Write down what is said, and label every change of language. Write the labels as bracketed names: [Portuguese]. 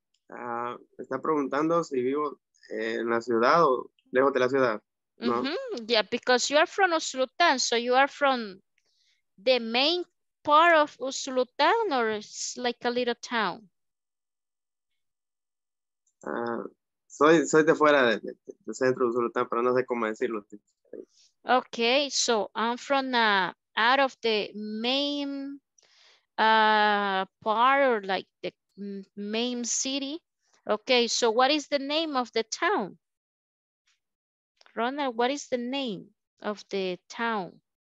[Spanish] Está preguntando si vivo en la ciudad o lejos de la ciudad. No. Mm-hmm. [English] Yeah, because you are from Usulután, so you are from the main part of Usulután, or it's like a little town? [Spanish] Soy de fuera del centro de Usulután, pero no sé cómo decirlo. [English] Okay, so I'm from out of the main part, or like the main city. Okay, so what is the name of the town? Ronald, what is the name of the town?